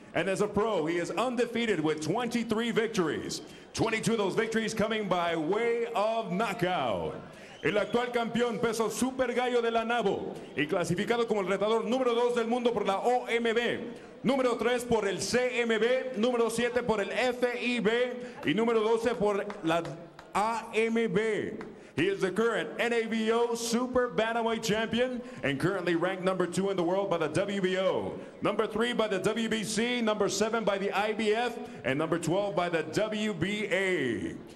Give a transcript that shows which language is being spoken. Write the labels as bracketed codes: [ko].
[en] And as a pro, he is undefeated with 23 victories. 22 of those victories coming by way of knockout. [es] El actual campeón peso super gallo de la NABO y clasificado como el retador número 2 del mundo por la OMB, número 3 por el CMB, número 7 por el FIB y número 12 por la AMB. [en] He is the current NABO Super Bantamweight Champion and currently ranked number 2 in the world by the WBO, number 3 by the WBC, number 7 by the IBF, and number 12 by the WBA.